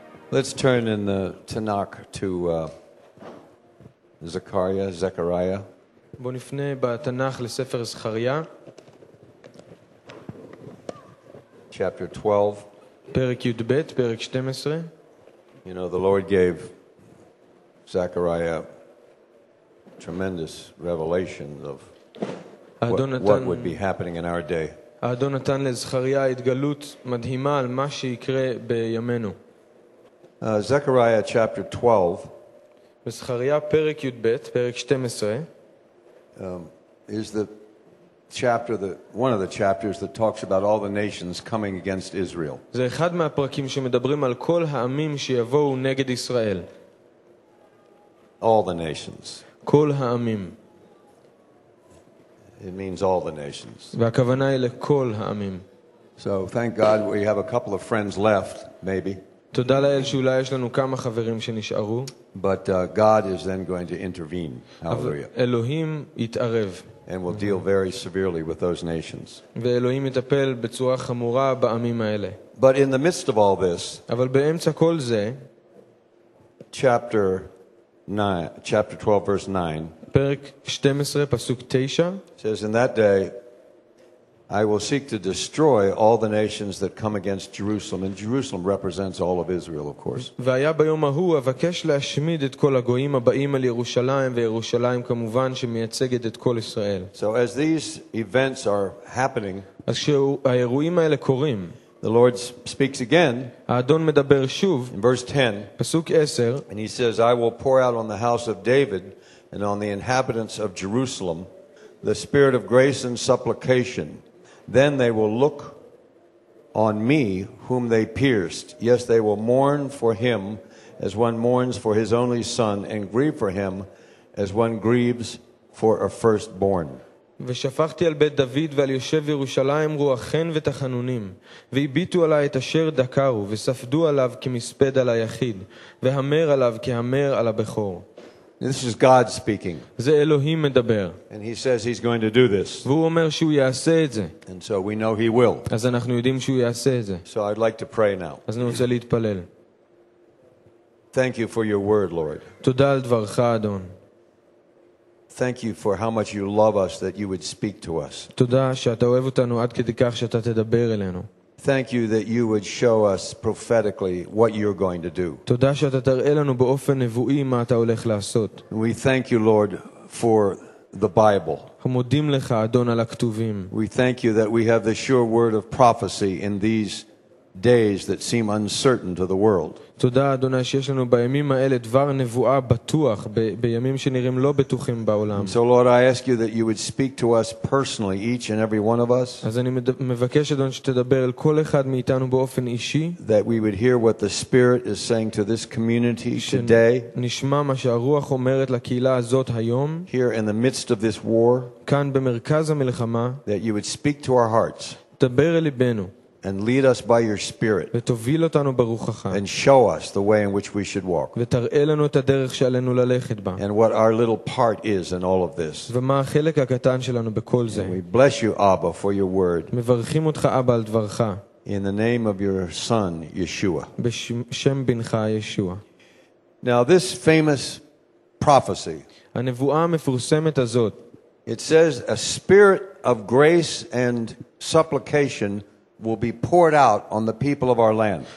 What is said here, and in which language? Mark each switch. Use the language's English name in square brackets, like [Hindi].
[English] Let's turn in the Tanakh to Zechariah. [Hebrew] בוא נפנה בתנ"ך לספר זכריה. [English] Chapter 12. [Hebrew] פרק י"ב, פרק 12. [English] You know, the Lord gave Zechariah tremendous revelations of what would be happening in our day. [Hebrew] האדון נתן לזכריה התגלות מדהימה על מה שיקרה בימינו. [English] Zechariah chapter 12. [Hebrew] בזכריה פרק י"ב, פרק 12. [English] Is the chapter, the one of the chapters that talks about all the nations coming against Israel. [Hebrew] זה אחד מהפרקים שמדברים על כל העמים שיבואו נגד ישראל. [English] All the nations. [Hebrew] כל העמים. [English] It means all the nations. [Hebrew] והכוונה היא לכל העמים. [English] So thank God we have a couple of friends left, maybe. [Hebrew] תודה לאל שאולי יש לנו כמה חברים שנשארו. [English] But God is then going to intervene. Hallelujah. [Hebrew] אלוהים יתערב. [English] And will deal very severely with those nations. [Hebrew] ואלוהים יטפל בצורה חמורה בעמים האלה. [English] But in the midst of all this, [Hebrew] אבל באמצע כל זה, [English] chapter 12 verse 9, [Hebrew] פרק 12 פסוק 9, [English] says, in that day I will seek to destroy all the nations that come against Jerusalem. And Jerusalem represents all of Israel, of course. [Hebrew] והיה ביום ההוא אבקש להשמיד את כל הגויים הבאים על ירושלים, וירושלים כמובן שמייצגת את כל ישראל. [English] So as these events are happening, [Hebrew] אז כשהאירועים האלה קורים, [English] the Lord speaks again, [Hebrew] האדון מדבר שוב, [English] in verse 10, [Hebrew] פסוק 10, [English] and he says, I will pour out on the house of David and on the inhabitants of Jerusalem the spirit of grace and supplication. Then they will look on me whom they pierced. Yes, they will mourn for him as one mourns for his only son, and grieve for him as one grieves for a firstborn. [Hebrew] ושפכתי על בית דוד ועל יושב ירושלים רוחן ותחנונים, והביטו עליי את אשר דקרו, וספדו עליו כמספד על היחיד, והמר עליו כהמר על הבכור. [English] This is God speaking. [Hebrew] זה אלוהים מדבר. [English] And he says he's going to do this. [Hebrew] והוא אומר שהוא יעשה את זה. [English] And so we know he will. [Hebrew] אז אנחנו יודעים שהוא יעשה את זה. [English] So I'd like to pray now. [Hebrew] אז אני רוצה להתפלל. [English] Thank you for your word, Lord. [Hebrew] תודה על דברך, אדון. [English] Thank you for how much you love us that you would speak to us. [Hebrew] תודה שאתה אוהב אותנו עד כדי כך שאתה תדבר אלינו. [English] Thank you that you would show us prophetically what you're going to do. [Hebrew] תודה שאתה תראה לנו באופן נבואי מה אתה הולך לעשות. [English] We thank you, Lord, for the Bible. [Hebrew] מודים לך, אדון, על הכתובים. [English] We thank you that we have the sure word of prophecy in these days that seem uncertain to the world. [Hebrew] תודה, אדון, שיש לנו בימים האלה דבר נבואה בטוח בימים שנראים לא בטוחים בעולם. [English] So Lord, I ask you that you would speak to us personally, each and every one of us. [Hebrew] אז אני מבקש, אדון, שתדבר אל כל אחד מאיתנו באופן אישי. [English] That we would hear what the Spirit is saying to this community today. [Hebrew] נשמע מה שהרוח אומרת לקהילה הזאת היום. [English] Here in the midst of this war. [Hebrew] כאן במרכז המלחמה. [English] That you would speak to our hearts. [Hebrew] דבר אל ליבנו. [English] And lead us by your spirit. [Hebrew] ותוביל אותנו ברוחך. [English] And show us the way in which we should walk. [Hebrew] ותראה לנו את הדרך שעלינו ללכת בה. [English] And what our little part is in all of this. [Hebrew] ומה החלק הקטן שלנו בכל זה. [English] We bless you, Abba, for your word. [Hebrew] מברכים אותך, אבא, על דברך. [English] In the name of your son, Yeshua. [Hebrew] בשם בנך, ישוע. [English] Now this famous prophecy. [Hebrew] הנבואה המפורסמת הזאת. [English] It says a spirit of grace and supplication will be poured out on the people of our land.